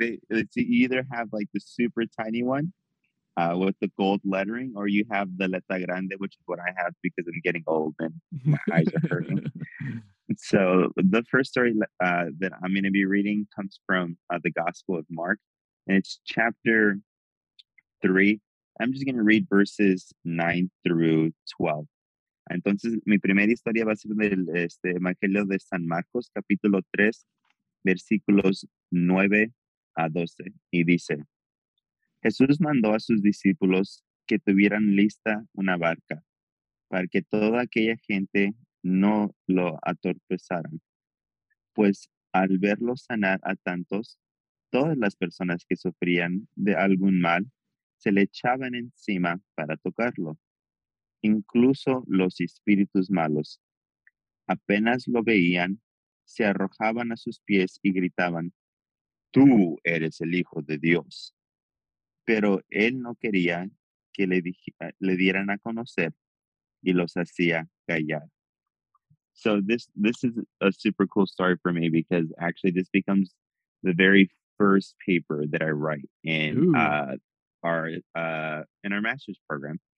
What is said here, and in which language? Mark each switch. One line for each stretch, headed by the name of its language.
English: Like they either have like the super tiny one with the gold lettering, or you have the Letra Grande, which is what I have because I'm getting old and my eyes are hurting. So the first story that I'm going to be reading comes from the Gospel of Mark, and it's chapter 3. I'm just going to read verses 9 through 12.
Spanish: Entonces, mi primera historia va a ser del Evangelio de San Marcos, capítulo 3, versículos 9 a 12. Y dice, Jesús mandó a sus discípulos que tuvieran lista una barca para que toda aquella gente no lo atorpezaran. Pues al verlo sanar a tantos, todas las personas que sufrían de algún mal se le echaban encima para tocarlo, incluso los espíritus malos. Apenas lo veían, se arrojaban a sus pies y gritaban, Tú eres el Hijo de Dios. Pero él no quería que le dieran a conocer y los hacía callar.
English: So this is a super cool story for me because actually this becomes the very first paper that I write in our master's program.